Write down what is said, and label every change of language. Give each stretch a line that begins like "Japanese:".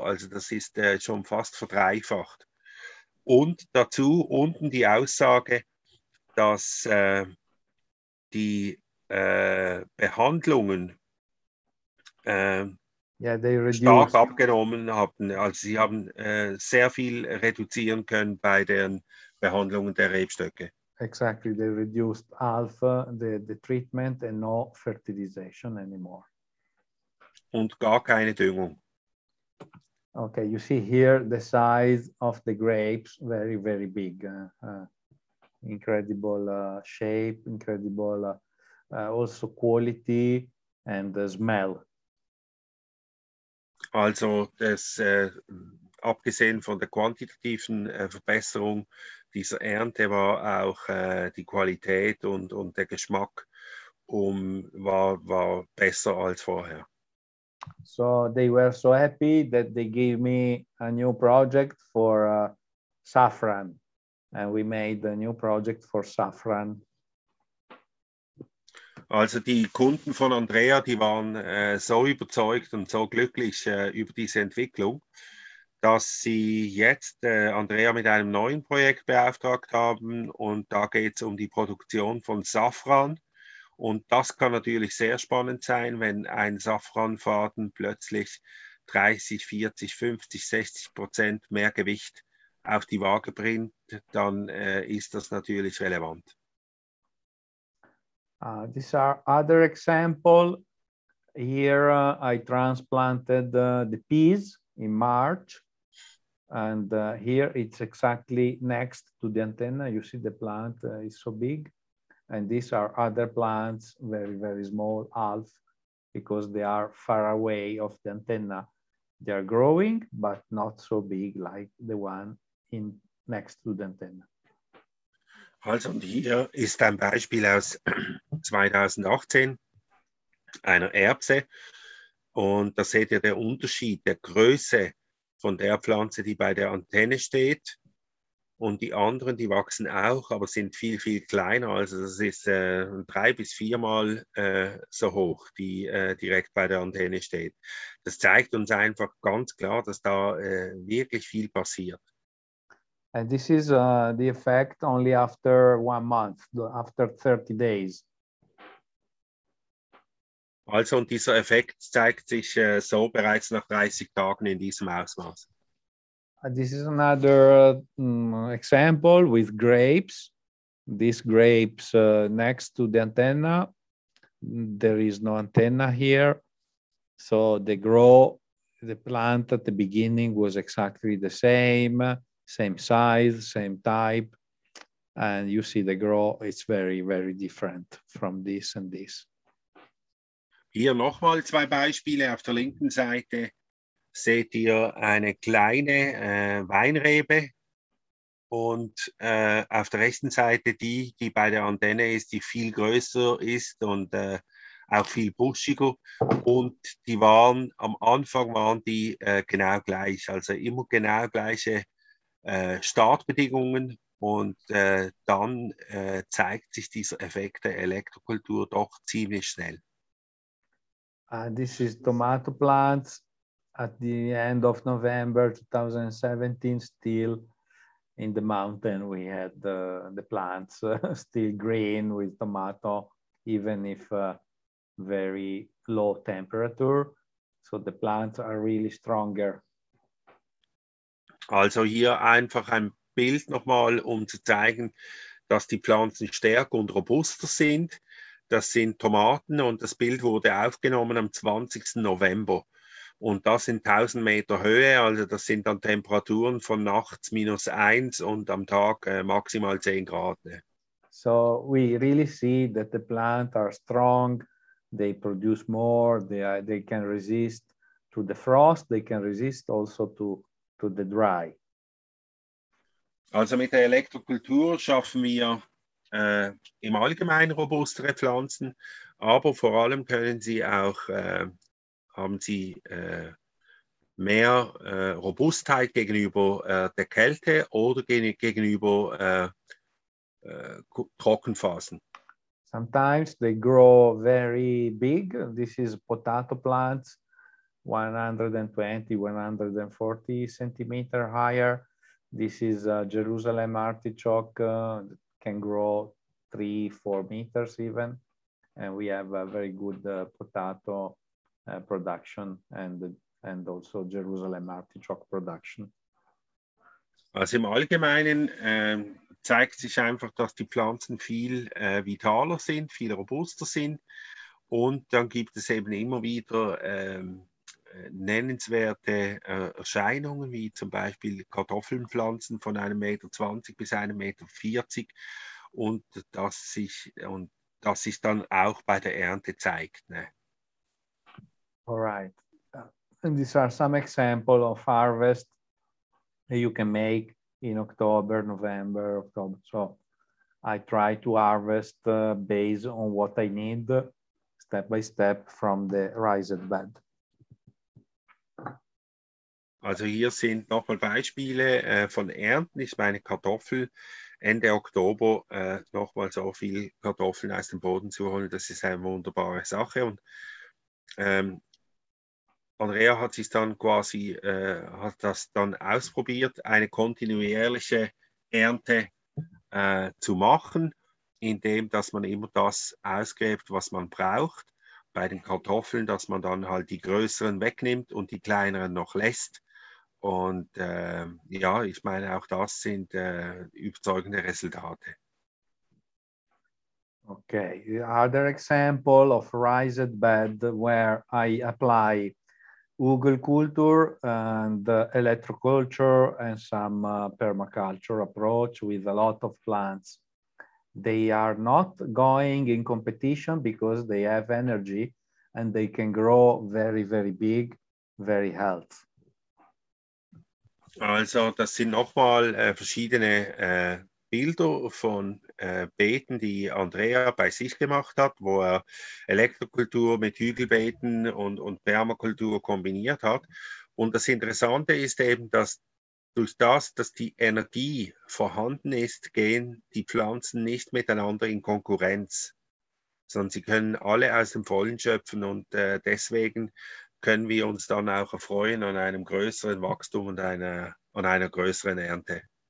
German: Also das ist schon fast verdreifacht. Und dazu unten die Aussage, dass Behandlungen stark abgenommen haben. Also sie haben sehr viel reduzieren können bei den Behandlungen der Rebstöcke.
English: Exactly, they reduced alpha, the treatment and no fertilization anymore.
German: Und gar keine Düngung.
English: Okay, you see here the size of the grapes, very, very big. Incredible shape, incredible also quality and the smell.
German: Also das, abgesehen von der quantitativen Verbesserung dieser Ernte, war auch die Qualität und der Geschmack war besser als vorher.
English: So they were so happy that they gave me a new project for saffron. And we made a new project for saffron.
German: Also die Kunden von Andrea, die waren so überzeugt und so glücklich über diese Entwicklung, dass sie jetzt Andrea mit einem neuen Projekt beauftragt haben. Und da geht es um die Produktion von Safran. Und das kann natürlich sehr spannend sein, wenn ein Safranfaden plötzlich 30, 40, 50, 60% mehr Gewicht auf die Waage bringt, dann ist das natürlich relevant.
English: These are other example. Here I transplanted the peas in March. And here it's exactly next to the antenna. You see the plant is so big. And these are other plants, very, very small, half, because they are far away of the antenna. They are growing, but not so big like the one in next to the antenna.
German: Also, und hier ist ein Beispiel aus 2018 einer Erbse. Und da seht ihr den Unterschied der Größe von der Pflanze, die bei der Antenne steht. Und die anderen, die wachsen auch, aber sind viel, viel kleiner. Also das ist drei bis viermal so hoch, die direkt bei der Antenne steht. Das zeigt uns einfach ganz klar, dass da wirklich viel passiert.
English: And this is the effect only after 1 month, after 30 days.
German: Also, und dieser Effekt zeigt sich so bereits nach 30 Tagen in diesem Ausmaß.
English: This is another example with grapes. These grapes next to the antenna. There is no antenna here. So they grow, the plant at the beginning was exactly the same. Same size, same type, and you see the grow, it's very, very different from this and this.
German: Hier nochmal zwei Beispiele. Auf der linken Seite seht ihr eine kleine Weinrebe und auf der rechten Seite die, die bei der Antenne ist, die viel größer ist und auch viel buschiger. Und die waren am Anfang waren die genau gleich, also immer genau gleiche Startbedingungen und dann zeigt sich dieser Effekt der Elektrokultur doch ziemlich schnell.
English: This is tomato plants at the end of November 2017, still in the mountain we had the plants still green with tomato, even if very low temperature. So the plants are really stronger.
German: Also hier einfach ein Bild nochmal, um zu zeigen, dass die Pflanzen stärker und robuster sind. Das sind Tomaten und das Bild wurde aufgenommen am 20. November. Und das in 1000 Meter Höhe, also das sind dann Temperaturen von nachts minus 1 und am Tag maximal 10 Grad.
English: So we really see that the plants are strong, they produce more, they can resist to the frost, they can resist also to the dry.
German: Also mit der Elektrokultur schaffen wir im Allgemeinen robustere Pflanzen, aber vor allem können sie auch, haben sie mehr Robustheit gegenüber der Kälte oder gegenüber Trockenphasen.
English: Sometimes they grow very big. This is potato plants. 120, 140 centimeter higher. This is a Jerusalem artichoke, can grow 3-4 meters even. And we have a very good potato production and also Jerusalem artichoke production.
German: Also im Allgemeinen zeigt sich einfach, dass die Pflanzen viel vitaler sind, viel robuster sind. Und dann gibt es eben immer wieder nennenswerte Erscheinungen, wie zum Beispiel Kartoffelpflanzen von 1,20 Meter bis 1,40 Meter und das sich dann auch bei der Ernte zeigt. Ne?
English: All right. And these are some examples of harvest that you can make in October, November, October. So I try to harvest based on what I need, step by step from the raised bed.
German: Also hier sind nochmal Beispiele von Ernten. Ich meine Kartoffel Ende Oktober nochmal so viel Kartoffeln aus dem Boden zu holen. Das ist eine wunderbare Sache. Und Andrea hat sich dann quasi hat das dann ausprobiert, eine kontinuierliche Ernte zu machen, indem dass man immer das ausgräbt, was man braucht. bei den Kartoffeln, dass man dann halt die größeren wegnimmt und die kleineren noch lässt. Und ja, ich meine, auch das sind überzeugende Resultate.
English: Okay, are there examples of raised bed where I apply Ugel Kultur and electroculture and some permaculture approach with a lot of plants? They are not going in competition because they have energy and they can grow very, very big, very healthy.
German: Also, das sind nochmal verschiedene Bilder von Beeten, die Andrea bei sich gemacht hat, wo er Elektrokultur mit Hügelbeeten und Permakultur kombiniert hat. Und das Interessante ist eben, dass durch das, dass die Energie vorhanden ist, gehen die Pflanzen nicht miteinander in Konkurrenz, sondern sie können alle aus dem Vollen schöpfen und deswegen können wir uns dann auch erfreuen an einem größeren Wachstum und an einer größeren Ernte.